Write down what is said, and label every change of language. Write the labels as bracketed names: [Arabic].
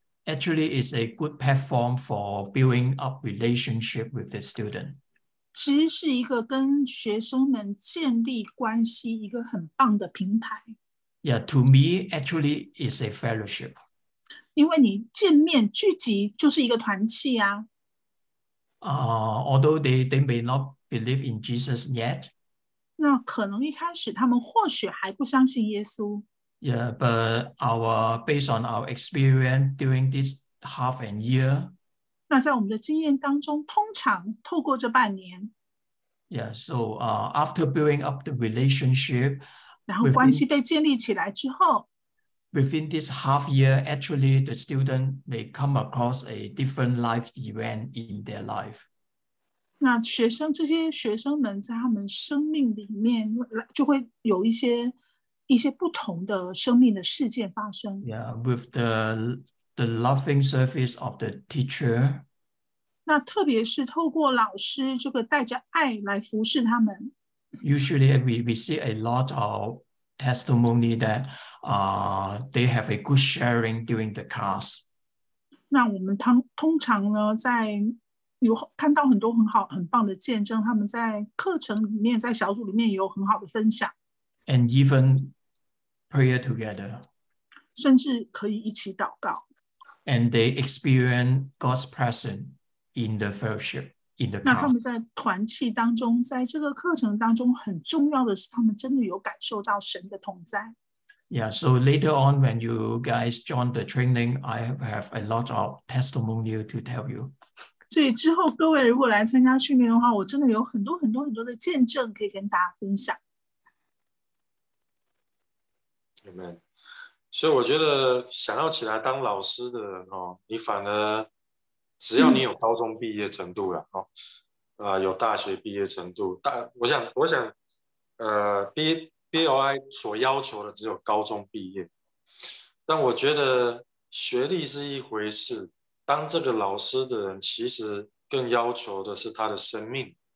[English] actually is a good platform for building up relationship with the student. [Chinese] 其实是一个跟学生们建立关系一个很棒的平台。 [English] Yeah, to me, actually is a fellowship. [Chinese] 因为你见面聚集就是一个团契啊。 [English] Although they may not believe in Jesus yet. [Chinese] 那可能一开始他们或许还不相信耶稣。 [English] Yeah, but based on our experience during this half a year. [Chinese] 那在我们的经验当中，通常透过这半年。 [English] Yeah, so after building up the relationship, [Chinese] 然后关系被建立起来之后 [English] ，within this half year, actually the student may come across a different life event in their life. [Chinese] 那学生这些学生们在他们生命里面就会有一些不同的生命的事件发生。 [English] Yeah, with the loving service of the teacher. [Chinese] 那特别是透过老师这个带着爱来服侍他们。 [English] Usually we see a lot of testimony that they have a good sharing during the class. [Chinese] 那我们通常呢在有看到很多很棒的见证，他们在课程里面，在小组里面也有很好的分享。 [English] And even prayer together. [Chinese] 甚至可以一起祷告。 [English] And they experience God's presence in the fellowship, in the class. [Chinese] 那他们在团契当中，在这个课程当中，很重要的是他们真的有感受到神的同在。 [English] Yeah, so later on when you guys join the training, I have a lot of testimony to tell you. [Chinese] 所以之后各位如果来参加训练的话，我真的有很多很多很多的见证可以跟大家分享。 [English] Amen. [Chinese] 所以我觉得想要起来当老师的人、哦、你反而只要你有高中毕业程度了、有大学毕业程度，我想BOI 所要求的只有高中毕业，但我觉得学历是一回事，当这个老师的人其实更要求的是他的生命，